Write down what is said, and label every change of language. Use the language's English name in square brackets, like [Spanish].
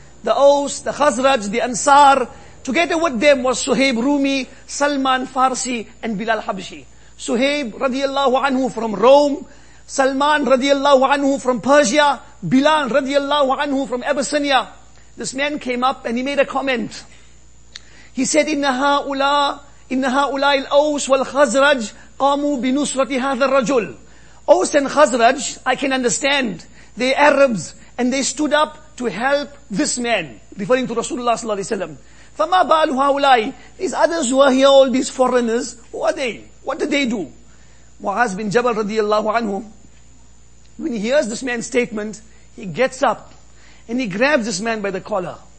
[English] The Aus, the Khazraj, the Ansar. Together with them was Suhaib Rumi, Salman Farsi and Bilal Habshi. Suhaib radiallahu anhu from Rome, Salman radiallahu anhu from Persia, Bilal radiallahu anhu from Abyssinia. This man came up and he made a comment. He said, [Arabic] إِنَّ هَا أُولَى الْأَوْسِ وَالْخَزْرَجِ قَامُوا بِنُسْرَةِ هَذَا الرَّجُلِ. [English] Aus and Khazraj, I can understand, they Arabs, and they stood up to help this man, referring to Rasulullah صلى الله عليه وسلم. [Arabic] فَمَا بَالُ هَؤُلَاءِ. [English] These others who are here, all these foreigners, who are they? What did they do? Mu'az bin Jabal radiallahu anhu, when he hears this man's statement, he gets up, and he grabs this man by the collar.